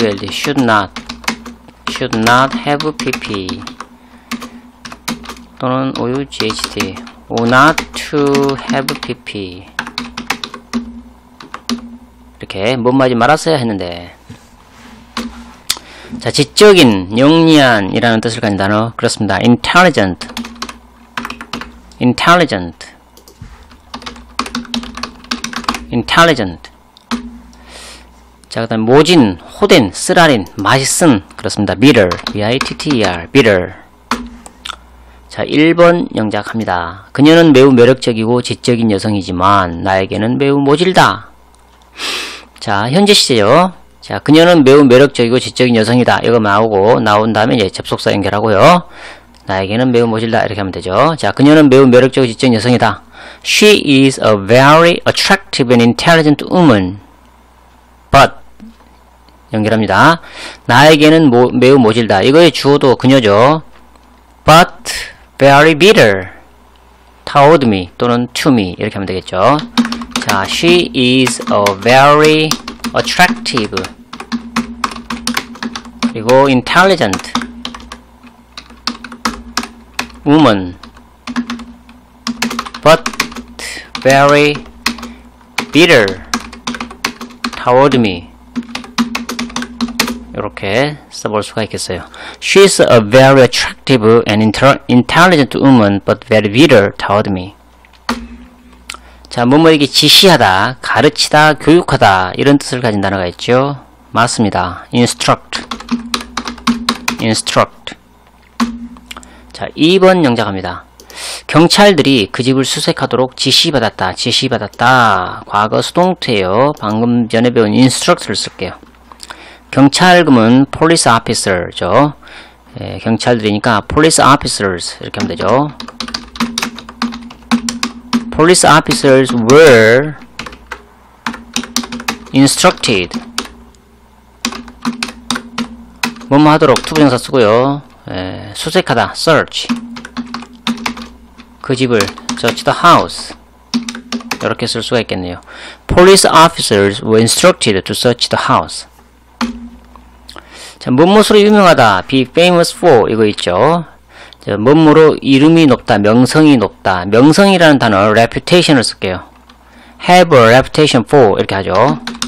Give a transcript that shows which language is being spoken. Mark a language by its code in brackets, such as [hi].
[en] should not, should not have pp 또는 ought, ought not to have pp. [ko] 이렇게 뭐뭐 하지 말았어야 했는데. 자, 지적인, 영리한 이라는 뜻을 가진 단어. [en] 그렇습니다. intelligent, intelligent, intelligent. [ko] 자, 그 다음 모진, 호된, 쓰라린, 맛있은. 그렇습니다. bitter, b-i-t-t-e-r, bitter. 자, 1번 영작합니다. 그녀는 매우 매력적이고 지적인 여성이지만 나에게는 매우 모질다. 자, 현재 시제죠. 자, 그녀는 매우 매력적이고 지적인 여성이다. 이거 나오고, 나온 다음에 이제 접속사 연결하고요. 나에게는 매우 모질다. 이렇게 하면 되죠. 자, 그녀는 매우 매력적이고 지적인 여성이다. [en] She is a very attractive and intelligent woman. [ko] But, 연결합니다. 나에게는 매우 모질다. 이거의 주어도 그녀죠. [en] But, very bitter toward me. [ko] 또는 [en] to me. [ko] 이렇게 하면 되겠죠. [en] 자, she is a very attractive 그리고 intelligent woman but very bitter toward me. [ko] 이렇게 써볼 수가 있겠어요. [en] She is a very attractive and intelligent woman but very bitter toward me. [ko] 자, 뭐뭐에게 지시하다, 가르치다, 교육하다 이런 뜻을 가진 단어가 있죠. 맞습니다. instruct, instruct. 자, 2번 영작합니다. 경찰들이 그 집을 수색하도록 지시받았다, 지시받았다. 과거 수동태예요. 방금 전에 배운 instruct를 쓸게요. 경찰금은 police officer죠. 예, 경찰들이니까 police officers 이렇게 하면 되죠. [en] Police officers were instructed. [ko] 뭐뭐 하도록 투부정사 쓰고요. 수색하다, search. 그 집을 [en] search the house. [ko] 이렇게 쓸 수가 있겠네요. [en] Police officers were instructed to search the house. [ko] 자, 뭐뭐로 유명하다, [en] be famous for [ko] 이거 있죠. 자, 뭐뭐로 이름이 높다, 명성이 높다. 명성이라는 단어 reputation을 쓸게요. [en] have a reputation for [ko] 이렇게 하죠.